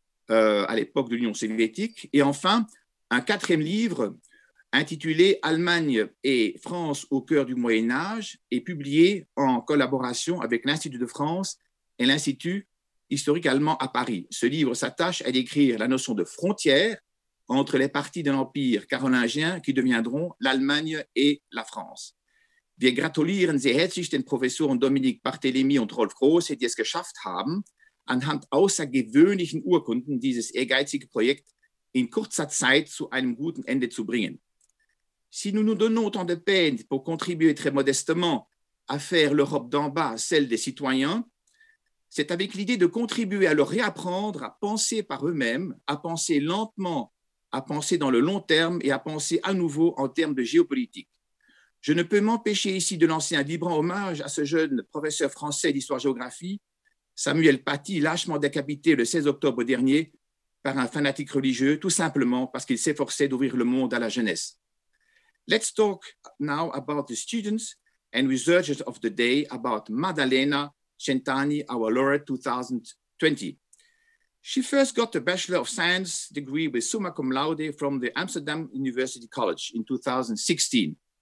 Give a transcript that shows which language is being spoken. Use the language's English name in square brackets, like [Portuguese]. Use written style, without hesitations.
[French] à l'époque de l'Union soviétique, et enfin un quatrième livre intitulé « Allemagne et France au cœur du Moyen-Âge » et publié en collaboration avec l'Institut de France et l'Institut historique allemand à Paris. Ce livre s'attache à décrire la notion de frontière entre les parties de l'Empire carolingien qui deviendront l'Allemagne et la France. [German] Wir gratulieren sehr herzlich den Professoren Dominik Barthélémy und Rolf Große, die es geschafft haben, anhand außergewöhnlichen Urkunden dieses ehrgeizige Projekt in kurzer Zeit zu einem guten Ende zu bringen. [French] Si nous nous donnons autant de peine pour contribuer très modestement à faire l'Europe d'en bas celle des citoyens, c'est avec l'idée de contribuer à leur réapprendre à penser par eux-mêmes, à penser lentement, à penser dans le long terme et à penser à nouveau en termes de géopolitique. Je ne peux m'empêcher ici de lancer un vibrant hommage à ce jeune professeur français d'histoire-géographie, Samuel Paty, lâchement décapité le 16 octobre dernier par un fanatique religieux, tout simplement parce qu'il s'efforçait d'ouvrir le monde à la jeunesse. [English] Let's talk now about the students and researchers of the day, about Maddalena Centani, our laureate 2020. She first got a Bachelor of Science degree with summa cum laude from the Amsterdam University College in 2016.